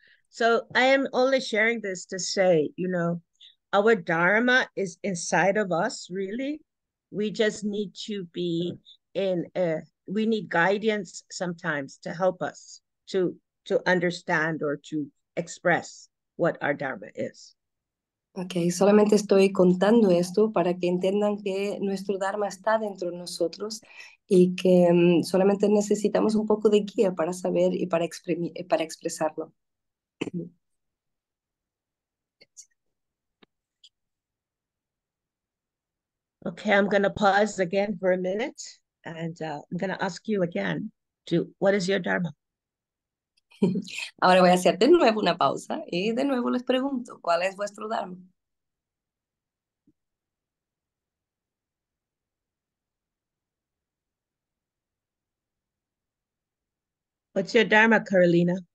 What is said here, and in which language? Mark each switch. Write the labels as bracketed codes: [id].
[en] So I am only sharing this to say, you know, our dharma is inside of us, really. We just need to be we need guidance sometimes to help us to to understand or to express what our Dharma is. [es] Okay, solamente estoy contando esto para que entiendan que nuestro Dharma está dentro de nosotros y que solamente necesitamos un poco de guía para saber y para expresarlo. [en] Okay, I'm going to pause again for a minute and I'm going to ask you again, what is your Dharma? [es] Ahora voy a hacer de nuevo una pausa y de nuevo les pregunto, ¿cuál es vuestro Dharma? [en] What's your Dharma, Carolina?